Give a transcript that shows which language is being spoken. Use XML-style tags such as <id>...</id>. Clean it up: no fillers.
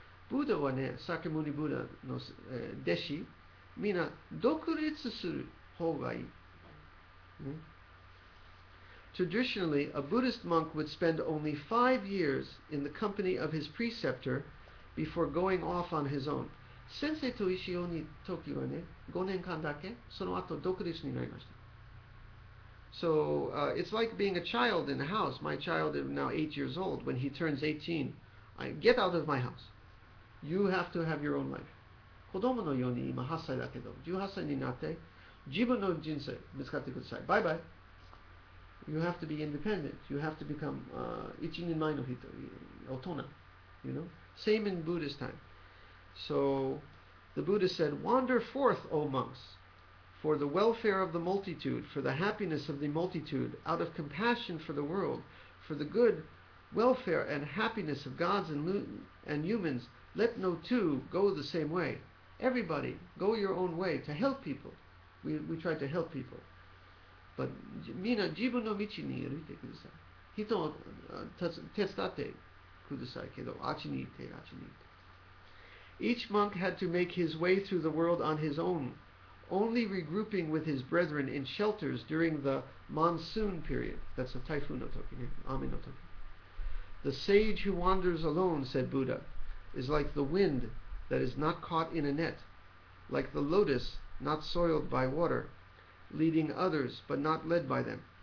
<ja>Buddha はね、Sakyamuni Buddha の弟子、みんな独立する方がいい。</ja> <en>Traditionally, a Buddhist monk would spend only 5 years in the company of his preceptor before going off on his own.</en> <ja>先生と一緒にいた時はね、5年間だけ、その後独立になりました。</ja> <en>So, it's like being a child in a house. My child is now 8 years old. When he turns 18, I get out of my house. You have to have your own life.</en> <ja>子供のように今8歳だけど、18歳になって、自分の人生見つかってください。バイバイ。</ja> <en>You have to be independent. You have to become</en> <ja>一人前の人、大人。</ja> <en>You know? Same in Buddhist time. So, the Buddha said, wander forth, O monks, for the welfare of the multitude, for the happiness of the multitude, out of compassion for the world, for the good welfare and happiness of gods and humans, let no two go the same way. Everybody, go your own way to help people.</en> <ja>We try to help people. But, mina, 自分の道に歩いてください。人を手伝ってくださいけど、あっちに行って、あっちに行って。</ja> <en>Each monk had to make his way through the world on his own, only regrouping with his brethren in shelters during the monsoon period. That's a typhoon</en> <ja>no toki, ami no toki.</ja> <en>The sage who wanders alone, said Buddha, is like the wind that is not caught in a net, like the lotus not soiled by water, leading others but not led by them.</en>